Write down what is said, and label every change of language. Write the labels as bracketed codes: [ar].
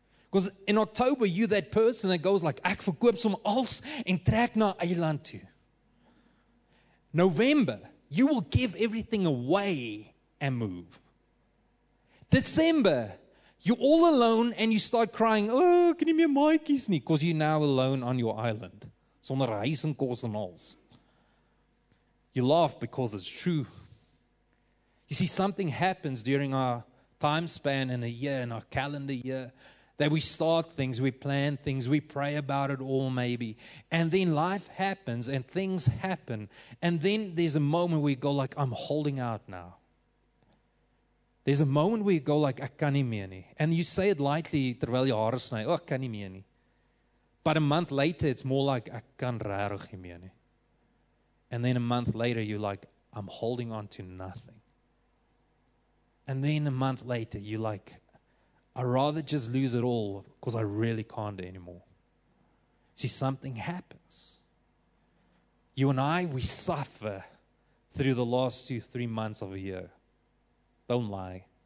[en] Because in October, you're that person that goes like, [af] ek verkoop som als en trek na eiland toe. [en] November, you will give everything away and move. December, you're all alone and you start crying, oh, can you give me a [af] maaikies nie? [en] Because you're now alone on your island. [af] Sonder huis en kos en als. [en] You laugh because it's true. You see, something happens during our time span in a year, in our calendar year, that we start things, we plan things, we pray about it all maybe. And then life happens and things happen. And then there's a moment where you go like, I'm holding out now. There's a moment where you go like, [af] ek kan nie meer nie. [en] And you say it lightly [af] terwyl jy hare sny, ek kan nie meer nie. [en] But a month later, it's more like, [af] ek kan regtig nie meer nie. [en] And then a month later, you're like, I'm holding on to nothing. And then a month later, you're like, I'd rather just lose it all because I really can't anymore. See, something happens. You and I, we suffer through the last 2-3 months of a year. Don't lie.